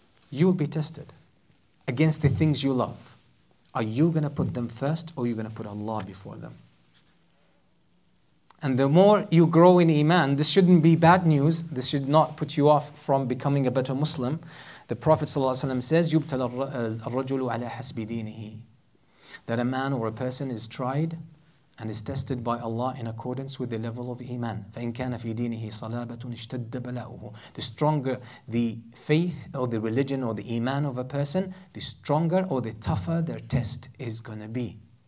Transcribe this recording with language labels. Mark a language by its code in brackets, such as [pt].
[en] You will be tested against the things you love. Are you going to put them first, or are you going to put Allah before them? And the more you grow in iman, this shouldn't be bad news. This should not put you off from becoming a better Muslim. The Prophet ﷺ says, [ar] يُبْتَلَ الرَّجُلُ عَلَىٰ حَسْبِ دِينِهِ. [en] That a man or a person is tried and is tested by Allah in accordance with the level of iman. [ar] فَإِنْ كَانَ فِي دِينِهِ صَلَابَةٌ اشْتَدَّ بَلَاؤُهُ. [en] The stronger the faith or the religion or the iman of a person, the stronger or the tougher their test is going to be.